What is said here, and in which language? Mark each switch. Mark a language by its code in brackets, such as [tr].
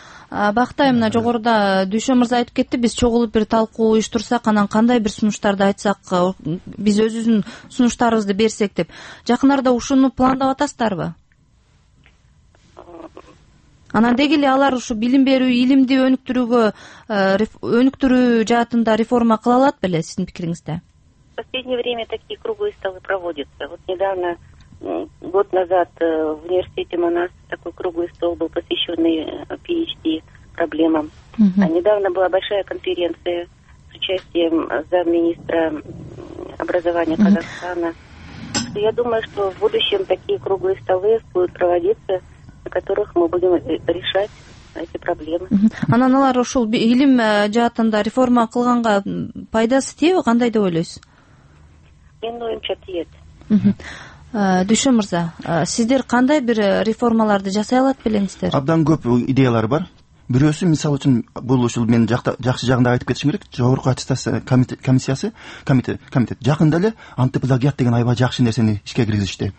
[ky] Бакыт айым, мына жогоруда Дүйшөн мырза айтып кетти, биз чогулуп бир талкуу уюштурсак, анан кандай бир сунуштарды айтсак, биз өзүбүздүн сунуштарыбызды берсек деп, жакын арада ушуну пландап атасыздарбы? Анан деги эле алар ушу билим берүү, илимди өнүктүрүүгө өнүктүрүү жаатында реформа кыла алат беле сиздин пикириңизде? [ru] В последнее время такие круглые столы проводятся. Вот недавно, год назад в университете Манас такой круглый стол был посвященный PhD проблемам. А недавно была большая конференция с участием замминистра образования Казахстана. Я думаю, что в будущем такие круглые столы будут проводиться, на которых мы будем решать эти проблемы. [ky] Анан алар ушул илим жаатында реформа кылганга пайдасы тиеби, кандай деп ойлойсуз? Менин оюмча тиет. Дүйшөн мырза, сиздер кандай бир реформаларды жасай алат белеңиздер? Абдан көп идеялар бар. Бирөөсү мисалы үчүн бул ушул менин жакшы жагында айтып кетишим керек, жогорку аттестация комиссиясы комитет жакында эле антиплагиат деген аябай жакшы нерсени ишке киргизишти.